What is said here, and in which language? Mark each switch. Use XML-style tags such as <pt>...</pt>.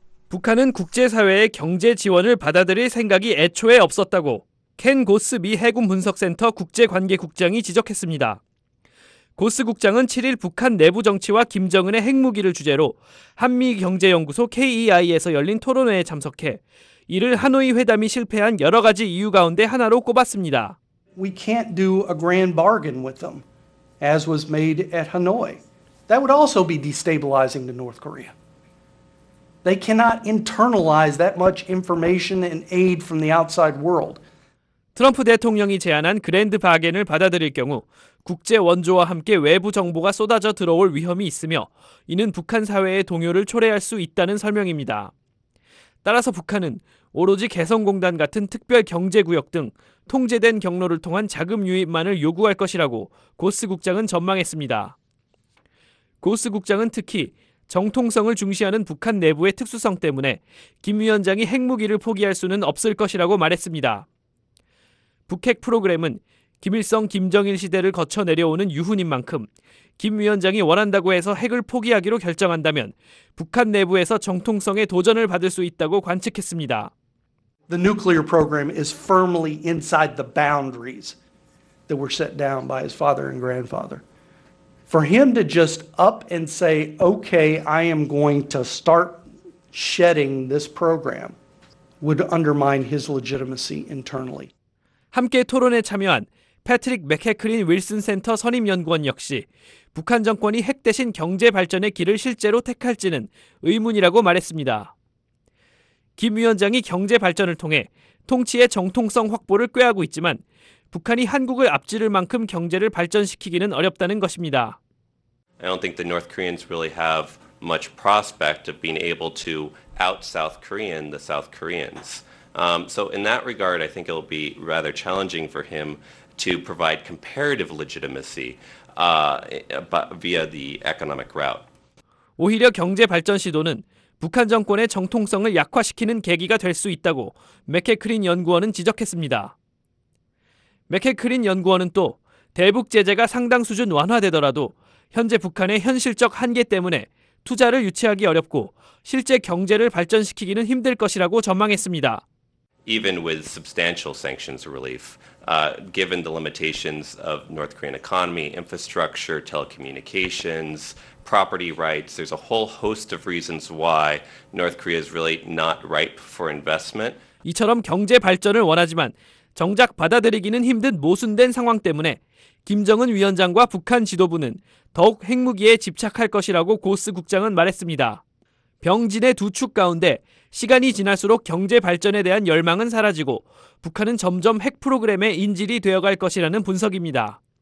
<ko>북한은 국제사회의 경제 지원을 받아들일 생각이 애초에 없었다고 켄 고스 미 해군 분석센터 국제관계국장이 지적했습니다. 고스 국장은 7일 북한 내부 정치와 김정은의 핵무기를 주제로 한미경제연구소 KEI에서 열린 토론회에 참석해 이를 하노이 회담이 실패한 여러 가지 이유 가운데 하나로 꼽았습니다.</ko> <en>We can't do a grand bargain with them as was made at Hanoi. That would also be destabilizing to North Korea. They cannot internalize that much information and aid from the outside world.</en> <ko>트럼프 대통령이 제안한 그랜드 바겐을 받아들일 경우 국제 원조와 함께 외부 정보가 쏟아져 들어올 위험이 있으며 이는 북한 사회의 동요를 초래할 수 있다는 설명입니다. 따라서 북한은 오로지 개성공단 같은 특별 경제구역 등 통제된 경로를 통한 자금 유입만을 요구할 것이라고 고스 국장은 전망했습니다. 고스 국장은 특히 정통성을 중시하는 북한 내부의 특수성 때문에 김 위원장이 핵무기를 포기할 수는 없을 것이라고 말했습니다. 북핵 프로그램은 김일성, 김정일 시대를 거쳐 내려오는 유훈인 만큼 김 위원장이 원한다고 해서 핵을 포기하기로 결정한다면 북한 내부에서 정통성의 도전을 받을 수 있다고 관측했습니다.</ko> <en>The nuclear program is firmly inside the boundaries that were set down by his father and grandfather. For him to just up and say, "Okay, I am going to start shedding this program," would undermine his legitimacy internally.</en> <ko>함께 토론에 참여한 패트릭 맥해크린 윌슨 센터 선임연구원 역시 북한 정권이 핵 대신 경제 발전의 길을 실제로 택할지는 의문이라고 말했습니다. 김 위원장이 경제 발전을 통해 통치의 정통성 확보를 꾀하고 있지만 북한이 한국을 앞지를 만큼 경제를 발전시키기는 어렵다는 것입니다.</ko> <en>I don't think the North Koreans really have much prospect of being able to out South Korean the South Koreans. So in that regard, I think it'll be rather challenging for him to provide comparative legitimacy via the economic route.</en> <ko>오히려 경제 발전 시도는 북한 정권의 정통성을 약화시키는 계기가 될 수 있다고 맥해크린 연구원은 지적했습니다. 맥해크린 연구원은 또 대북 제재가 상당 수준 완화되더라도 현재 북한의 현실적 한계 때문에 투자를 유치하기 어렵고 실제 경제를 발전시키기는 힘들 것이라고 전망했습니다.</ko> <en>Even with substantial sanctions relief, given the limitations of North Korean economy, infrastructure, telecommunications, property rights, there's a whole host of reasons why North Korea is really not ripe for investment.</en> <ko>이처럼 경제 발전을 원하지만 정작 받아들이기는 힘든 모순된 상황 때문에 김정은 위원장과 북한 지도부는 더욱 핵무기에 집착할 것이라고 고스 국장은 말했습니다. 병진의 두 축 가운데 시간이 지날수록 경제 발전에 대한 열망은 사라지고 북한은 점점 핵 프로그램의 인질이 되어갈 것이라는 분석입니다.</ko>